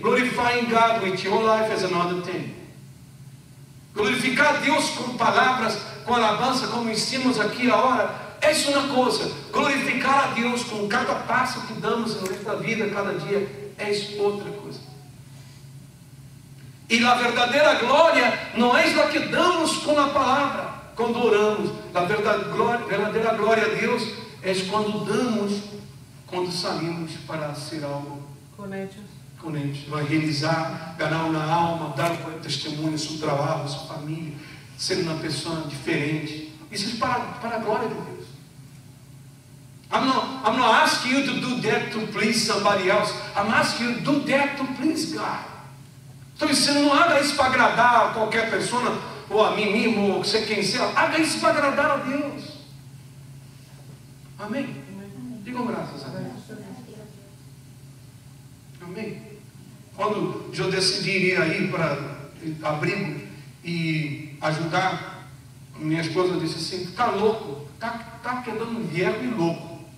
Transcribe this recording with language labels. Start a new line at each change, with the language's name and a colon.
English: Glorifying God with your life is another thing.
Portuguese: Glorificar Deus com palavras, com alabança, como ensinamos aqui agora, é uma coisa. Glorificar a Deus com cada passo que damos na nossa vida, cada dia, é outra coisa. E a verdadeira glória não é a que damos com a palavra, quando oramos. A verdadeira glória a Deus é quando damos, quando saímos para ser algo com eles, vai realizar, ganhar uma alma, dar um testemunho, seu trabalho, sua família, ser uma pessoa diferente. Isso é para a glória de Deus.
English: I'm not asking you to do that to please somebody else. I'm asking you to do that to please God.
Portuguese: Então, você não haga isso para agradar a qualquer pessoa, ou a mim mesmo, ou você quem seja, haga isso para agradar a Deus. Amém? Digam graças a Deus. Amém. Quando eu decidi ir aí para abrigo e ajudar, minha esposa disse assim, está louco, está
Spanish: quedando viejo
Portuguese: e louco.